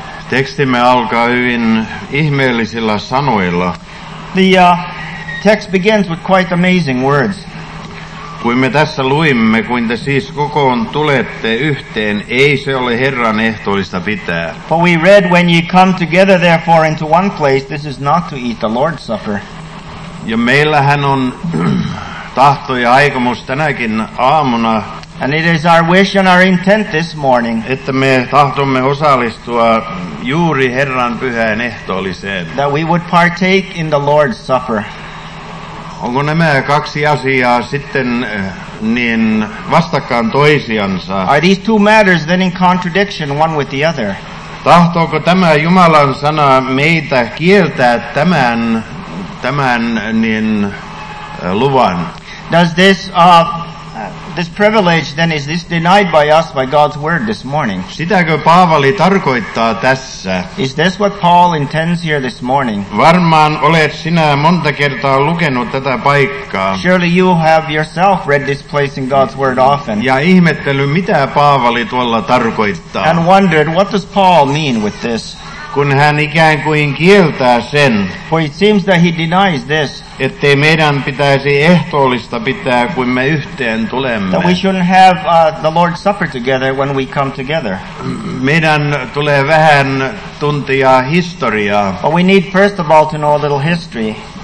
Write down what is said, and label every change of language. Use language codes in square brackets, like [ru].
[fi] Tekstimme alkaa hyvin ihmeellisillä sanoilla. [en] The text begins with quite amazing words. [fi] Kun me tässä luimme, kun te siis kokoon tulette yhteen, ei se ole Herran ehtoollista pitää. [en] For we read, when ye come together therefore into one place, this is not to eat the Lord's Supper. [fi] Ja meillähän on tahto ja aikomus tänäkin aamuna. [en] And it is our wish and our intent this morning, [fi] että me tahtomme osallistua juuri Herran pyhään ehtoolliseen. [en] That we would partake in the Lord's Supper. [fi] Onko nämä kaksi asiaa sitten niin vastakkain toisiansa? [en] Are these two matters then in contradiction one with the other? [fi] Tahtooko tämä Jumalan sana meitä kieltää tämän niin luvan? [en] Does this this privilege then, is this denied by us by God's word this morning? [fi] Sitäkö Paavali tarkoittaa tässä? [en] Is this what Paul intends here this morning? [fi] Varmaan olet sinä monta kertaa lukenut tätä paikkaa. [en] Surely you have yourself read this place in God's word often. [fi] Ja ihmettely, mitä Paavali tuolla tarkoittaa. [en] And wondered, what does Paul mean with this? [fi] Kun hän ikään kuin kieltää sen, [en] for it seems that he denies this, [fi] ettei meidän pitäisi ehtoollista pitää, kun me yhteen tulemme. [en] That we shouldn't have the Lord's Supper together when we come together. [fi] Meidän tulee vähän tuntia historiaa. [en] But we need first of all to know a little history.